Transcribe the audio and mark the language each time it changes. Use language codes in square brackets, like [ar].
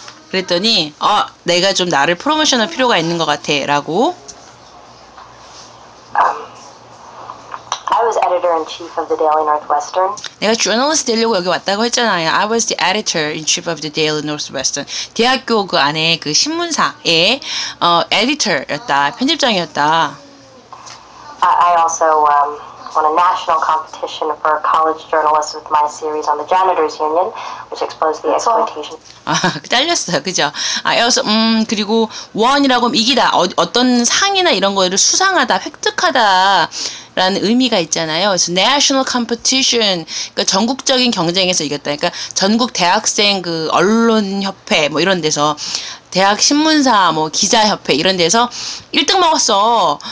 [ko] 그랬더니 내가 좀 나를 프로모션할 필요가 있는 것 같아 라고 [en] I was editor-in-chief of the Daily Northwestern. [ko] 내가 journalist 되려고 여기 왔다고 했잖아요. [en] I was the editor-in-chief of the Daily Northwestern. [ko] 대학교 그 안에 그 신문사의 editor였다, 편집장이었다. [en] I also won a national competition for a college journalist with my series on the janitors union, which exposed the exploitation. [ko] 딸렸어요, 그죠? 여기서 그리고 won이라고 하면 이기다, 어떤 상이나 이런 거를 수상하다, 획득하다. 라는 의미가 있잖아요. 그래서 national competition, 그러니까 전국적인 경쟁에서 이겼다. 그러니까 전국 대학생 그 언론협회 뭐 이런 데서, 대학 신문사 뭐 기자협회 이런 데서 1등 먹었어.